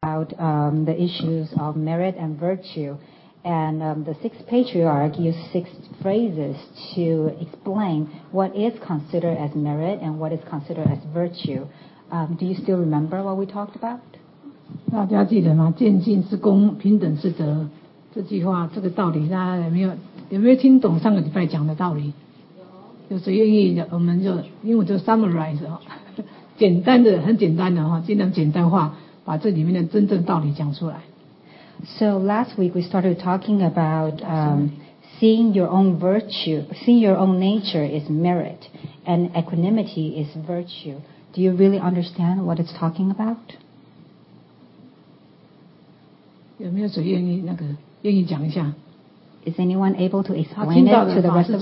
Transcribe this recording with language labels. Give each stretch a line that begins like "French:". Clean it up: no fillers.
English: about the issues of merit and virtue. And the sixth patriarch used six phrases to explain what is considered as merit and what is considered as virtue. Do you still remember what we talked about?
Chinese: 大家记得吗？渐进是功，平等是德。这句话，这个道理，大家有没有听懂上个礼拜讲的道理？有谁愿意？我们就因为我就 summarize 哈，简单的，很简单的哈，尽量简单化，把这里面的真正道理讲出来。
English: So last week we started talking about seeing your own virtue, seeing your own nature is merit, and equanimity is virtue. Do you really understand what it's talking about?
Chinese: 有没有谁愿意那个愿意讲一下？
English: Is anyone able to explain it to the rest of us?